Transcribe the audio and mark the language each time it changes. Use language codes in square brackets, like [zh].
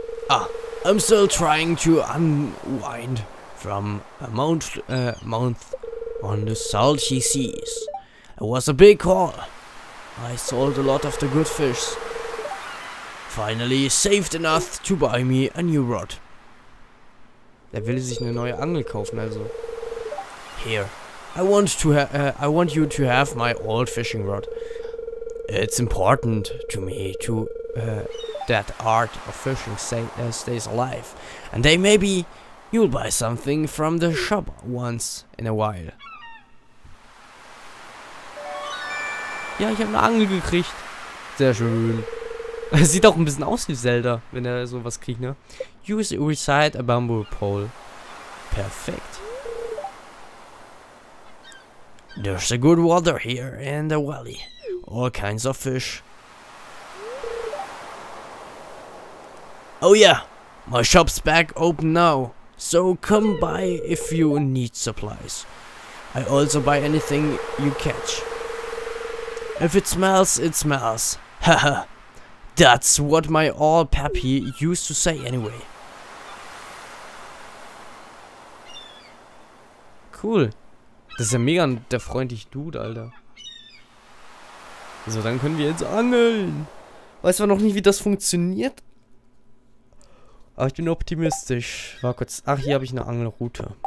[en] Ah, I'm still trying to unwind from a month on the salty seas. It was a big haul. I sold a lot of the good fish. Finally saved enough to buy me a new rod. [de] Er will sich eine neue Angel kaufen, also. [en] Here. I want you to have my old fishing rod. It's important to me to that art of fishing stays alive. And then maybe you'll buy something from the shop once in a while. [de] Ja, ich habe eine Angel gekriegt. Sehr schön. Sieht auch ein bisschen aus wie Zelda, wenn er sowas kriegt, ne? [en] Use inside a bamboo pole. Perfekt. There's a good water here in the valley. All kinds of fish. Oh yeah, my shop's back open now. So come by if you need supplies. I also buy anything you catch. If it smells, it smells. Haha, that's what my old pappy used to say anyway. cool. [de] Das ist ja mega der freundliche Dude, Alter. So, dann können wir jetzt angeln. Weiß zwar noch nicht, wie das funktioniert. Aber ich bin optimistisch. War kurz. Ach, hier habe ich eine Angelroute.